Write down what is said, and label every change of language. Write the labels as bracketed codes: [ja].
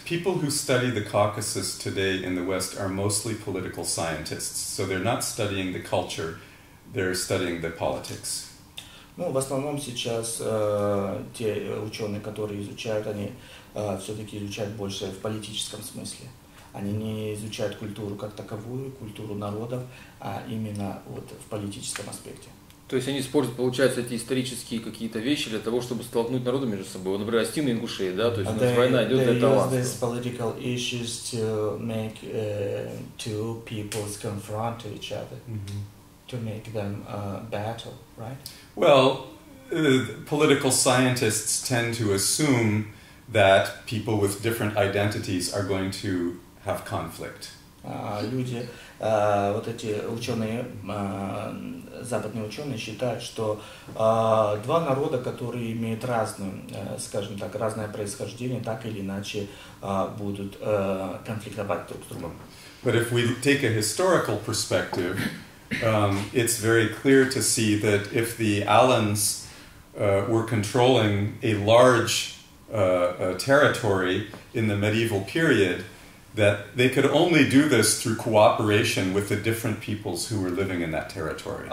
[en] People who study the Caucasus today in the West are mostly political scientists, so they're not studying the culture, they're studying the politics. [ru] Ну, в основном сейчас те ученые, которые изучают, они все-таки изучают больше в политическом смысле. Они не изучают культуру как таковую, культуру народов, а именно вот в политическом аспекте. То есть они используют, получается, эти исторические какие-то вещи для того, чтобы столкнуть народы между собой. Например, остины и ингушей, да? То есть у нас война идет для таланства. [en] They use these political issues to make two peoples confront each other, to make them battle, right? Well, political scientists tend to assume that people with different identities are going to have conflict. [ru] Люди, вот эти ученые, западные ученые считают, что два народа, которые имеют разное, скажем так, разное происхождение, так или иначе будут конфликтовать друг с другом. [en] But if we take a historical perspective, it's very clear to see that if the Alans were controlling a large territory in the medieval period, that they could only do this through cooperation with the different peoples who were living in that territory.